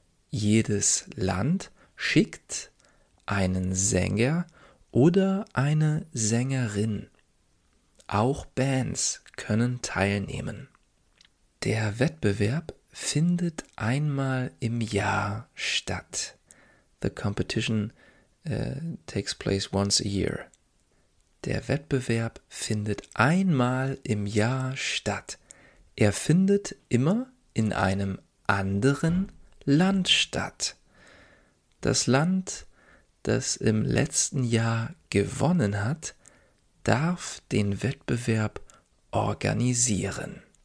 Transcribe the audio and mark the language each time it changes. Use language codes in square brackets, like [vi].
[de] Jedes Land schickt einen Sänger oder eine Sängerin. Auch Bands können teilnehmen. Der Wettbewerb findet einmal im Jahr statt. [en] The competition takes place once a year. [de] Der Wettbewerb findet einmal im Jahr statt. Er findet immer in einem anderen Land statt. Das Land, das im letzten Jahr gewonnen hat, darf den Wettbewerb organisieren.